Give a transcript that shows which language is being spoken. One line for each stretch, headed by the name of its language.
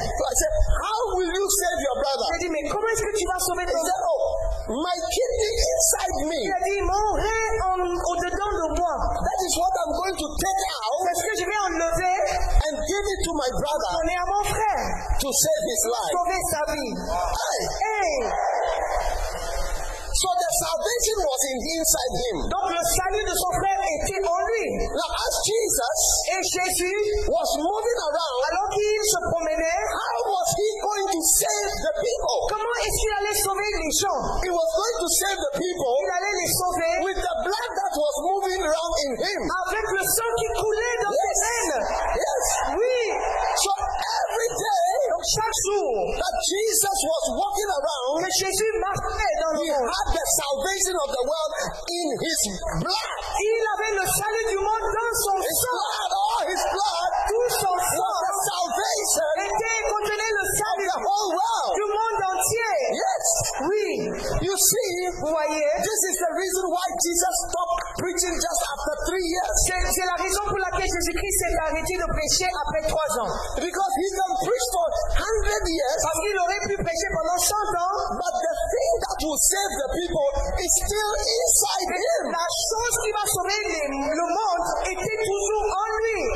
English: So I said, how will you save your brother?
French: J'ai dit, mais comment est-ce que tu vas sauver ton frère?
English: Oh, my kidney inside me.
French: Il a dit, mon rein au-dedans de moi.
English: That is what I'm going to take out.
French: C'est ce que je vais enlever.
English: And give it to my brother.
French: Donner à mon frère.
English: To save his life.
French: Sauver sa vie. Hey. Hey.
English: So the salvation was in inside him.
French: Donc le salut de son frère était en lui.
English: Now as Jesus
French: et Jésus
English: was moving around,
French: alors qu'il se promenait,
English: how was he going to save the people?
French: Comment est-ce qu'il allait sauver les gens?
English: He was going to save the people.
French: Il allait les sauver
English: with the blood that was moving around in him.
French: Avec le sang qui coulait dans ses veines.
English: Yes.
French: Oui.
English: So every day.
French: Chaque jour
English: that Jesus was walking around,
French: mais Jésus marchait dans le monde.
English: He had the salvation of the world in his blood.
French: Il avait le salut du monde dans son
English: his
French: sang.
English: Blood, all his blood,
French: tout son sang,
English: the salvation
French: était contenu le salut
English: of the whole world.
French: Du monde entier.
English: Yes,
French: oui.
English: You see,
French: vous voyez,
English: this is the reason why Jesus stopped preaching just after 3 years.
French: C'est la raison pour laquelle Jésus-Christ s'est arrêté de prêcher après 3 ans.
English: Because he can preach for 100 years.
French: Parce qu'il aurait pu prêcher pendant 100 ans.
English: But the thing that will save the people is still inside him.
French: La chose qui va sauver le monde était toujours en lui.